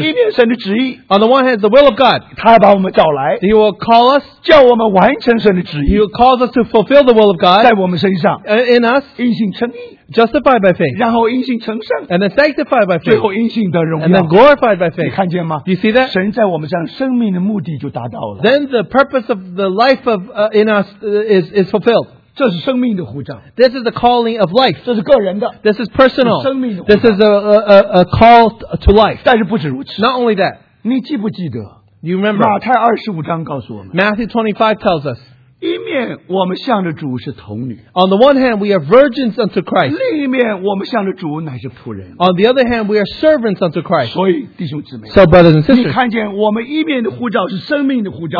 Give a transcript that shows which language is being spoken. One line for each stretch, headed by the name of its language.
Chinese: 一面神的旨意,
English: on the one hand, the will of God,
Chinese: 他把我们找来,
English: he will call us,
Chinese: 叫我们完成神的旨意,
English: he will call us to fulfill the will of God,
Chinese: 在我们身上,
English: in us,
Chinese: 因信称义,
English: justified by faith,
Chinese: 然后因信成圣,
English: and then sanctified by faith,
Chinese: 最后因信得荣耀,
English: and then glorified by faith.
Chinese: 你看见吗?
English: You see that?
Chinese: 神在我们上生命的目的就达到了,
English: then the purpose of the life of in us is fulfilled.
Chinese: 这是生命的呼召,
English: this is the calling of life.
Chinese: 这是个人的,
English: this is personal.
Chinese: 生命的呼召,
English: this is a call to life.
Chinese: 但是不止如此,
English: not only that,
Chinese: 你记不记得,
English: you remember,
Chinese: 马太25章告诉我们,
English: Matthew 25 tells us,
Chinese: 面我们向着主是童女。
English: On the one hand, we are virgins unto Christ.
Chinese: 另一面我们向着主乃是仆人。
English: On the other hand, we are servants unto Christ.
Chinese: 所以弟兄姊妹。
English: So brothers and sisters.
Chinese: 你看见我们一面的护照是生命的护照。